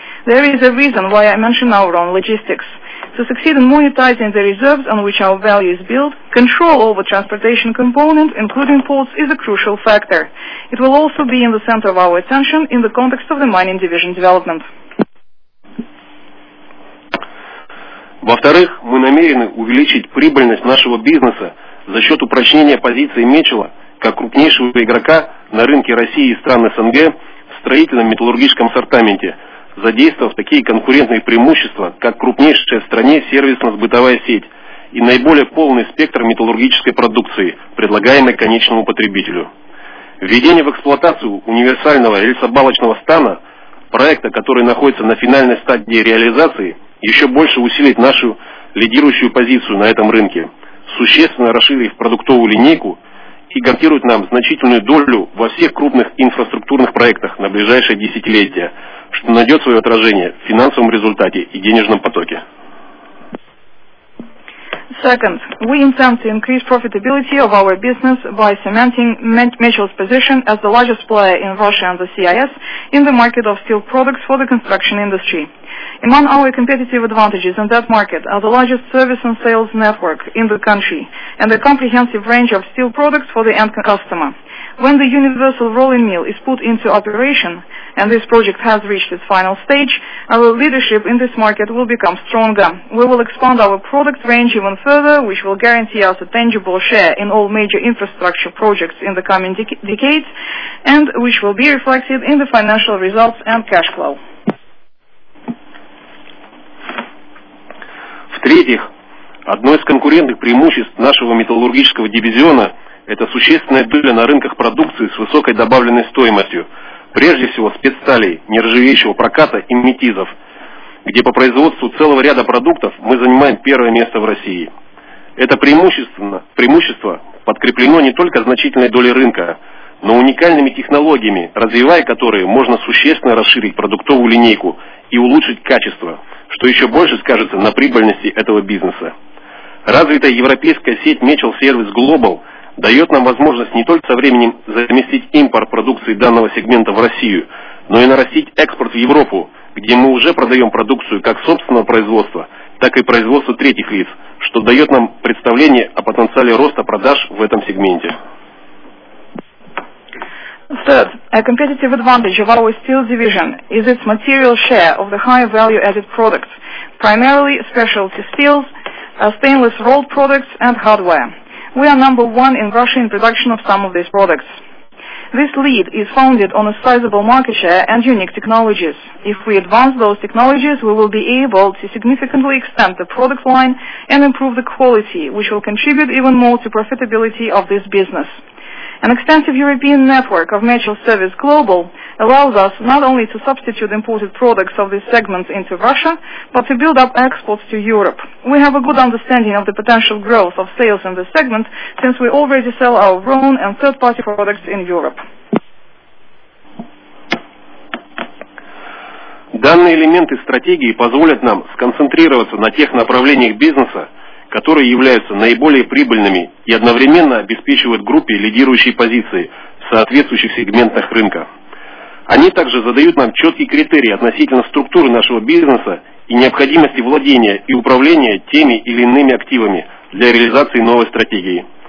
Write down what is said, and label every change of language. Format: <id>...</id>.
<en>There is a reason why I mention our own logistics. To succeed in monetizing the reserves on which our value is built, control over transportation components, including ports, is a crucial factor. It will also be in the center of our attention in the context of the mining division development.</en> <ru>Во-вторых, мы намерены увеличить прибыльность нашего бизнеса за счет упрочнения позиции Мечела как крупнейшего игрока на рынке России и стран СНГ в строительном металлургическом ассортименте, задействовав такие конкурентные преимущества, как крупнейшая в стране сервисно-сбытовая сеть и наиболее полный спектр металлургической продукции, предлагаемой конечному потребителю. Введение в эксплуатацию универсального рельсобалочного стана, проекта, который находится на финальной стадии реализации, еще больше усилит нашу лидирующую позицию на этом рынке, существенно расширив продуктовую линейку и гарантирует нам значительную долю во всех крупных инфраструктурных проектах на ближайшее десятилетие, что найдет свое отражение в финансовом результате и денежном потоке.</ru> <en>Second, we intend to increase profitability of our business by cementing Mechel's position as the largest player in Russia and the CIS in the market of steel products for the construction industry. Among our competitive advantages in that market are the largest service and sales network in the country and a comprehensive range of steel products for the end customer. When the universal rolling mill is put into operation, and this project has reached its final stage, our leadership in this market will become stronger. We will expand our product range even further, which will guarantee us a tangible share in all major infrastructure projects in the coming decades, and which will be reflected in the financial results and cash flow.</en> <ru>В-третьих, одно из конкурентных преимуществ нашего металлургического дивизиона – это существенная доля на рынках продукции с высокой добавленной стоимостью, прежде всего спецсталей, нержавеющего проката и метизов, где по производству целого ряда продуктов мы занимаем первое место в России. Это преимущество подкреплено не только значительной долей рынка, но уникальными технологиями, развивая которые, можно существенно расширить продуктовую линейку и улучшить качество, что еще больше скажется на прибыльности этого бизнеса. Развитая европейская сеть Mechel Service Global дает нам возможность не только со временем заместить импорт продукции данного сегмента в Россию, но и нарастить экспорт в Европу, где мы уже продаем продукцию как собственного производства, так и производство третьих лиц, что дает нам представление о потенциале роста продаж в этом сегменте.</ru> <en>Third, a competitive advantage of our steel division is its material share of the high value-added products, primarily specialty steels, stainless rolled products and hardware. We are number one in Russia in production of some of these products. This lead is founded on a sizable market share and unique technologies. If we advance those technologies, we will be able to significantly extend the product line and improve the quality, which will contribute even more to profitability of this business. An extensive European network of mutual service global allows us not only to substitute imported products of this segment into Russia, but to build up exports to Europe. We have a good understanding of the potential growth of sales in this segment, since we already sell our own and third-party products in Europe.</en> <ru>Данные элементы стратегии позволят нам сконцентрироваться на тех направлениях бизнеса, которые являются наиболее прибыльными и одновременно обеспечивают группе лидирующие позиции в соответствующих сегментах рынка. Они также задают нам четкие критерии относительно структуры нашего бизнеса и необходимости владения и управления теми или иными активами для реализации новой стратегии.</ru>